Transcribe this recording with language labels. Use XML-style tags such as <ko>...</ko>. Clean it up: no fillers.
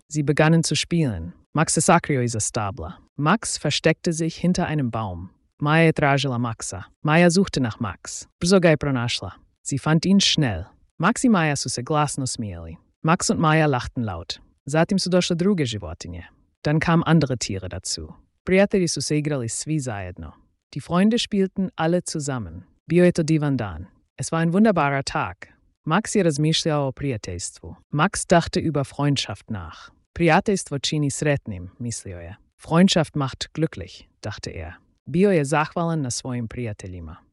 <de>Sie begannen zu spielen.</de> <hr>Max se sakrio iza stabla.</hr> <de>Max versteckte sich hinter einem Baum.</de> <hr>Maja je tražila Maxa.</hr> <de>Maja suchte nach Max.</de> <hr>Brzo ga je pronašla.</hr> <de>Sie fand ihn schnell.</de> <hr>Max i Maja su se glasno smijeli.</hr> <de>Max und Maja lachten laut.</de> <hr>Zatim su došle druge životinje.</hr> <de>Dann kamen andere Tiere dazu.</de> <hr>Prijatelji su se igrali svi zajedno.</hr> <de>Die Freunde spielten alle zusammen.</de> <hr>Bio je to divan dan.</hr> <de>Es war ein wunderbarer Tag.</de> <hr>Max je razmišljao o prijateljstvu.</hr> <de>Max dachte über Freundschaft nach.</de> <hr>Prijateljstvo čini sretnim, mislio je.</hr> <de>Freundschaft macht glücklich, dachte er.</de> <hr>Bio je zahvalan na svojim prijateljima.</hr>